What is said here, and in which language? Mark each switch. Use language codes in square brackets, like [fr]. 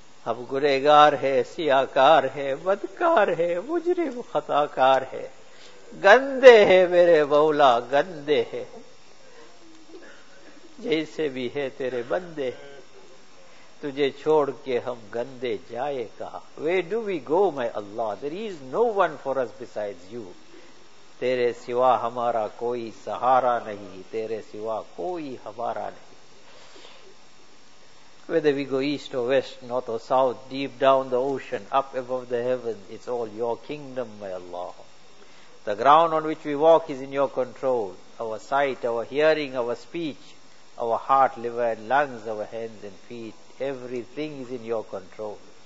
[ur] اب گنہگار ہے, سیاکار ہے, بدکار ہے, مجرم خطاکار ہے, گندے ہے میرے مولا, گندے ہے, جیسے بھی ہے تیرے بندے, تجھے چھوڑ کے ہم گندے جائے کہاں. [en] Where do we go, my Allah? There is no one for us besides you. [ur] تیرے سوا ہمارا کوئی سہارا نہیں, تیرے سوا کوئی ہمارا نہیں. [en] Whether we go east or west, north or south, deep down the ocean, up above the heaven, it's all your kingdom, my Allah. The ground on which we walk is in your control. Our sight, our hearing, our speech, our heart, liver and lungs, our hands and feet, everything is in your control.